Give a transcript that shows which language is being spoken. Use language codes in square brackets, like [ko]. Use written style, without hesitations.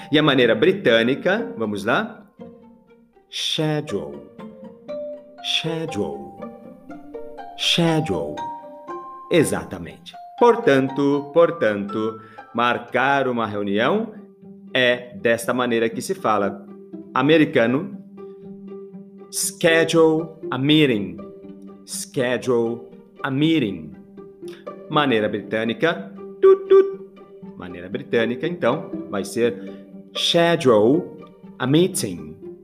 [pt] E a maneira britânica, vamos lá? [en] Schedule. Schedule. Schedule. Exatamente. [pt] Portanto, marcar uma reunião é desta maneira que se fala. [en] Americano, schedule a meeting. Schedule a meeting. [pt] Maneira britânica, maneira britânica, então, vai ser [en] schedule a meeting.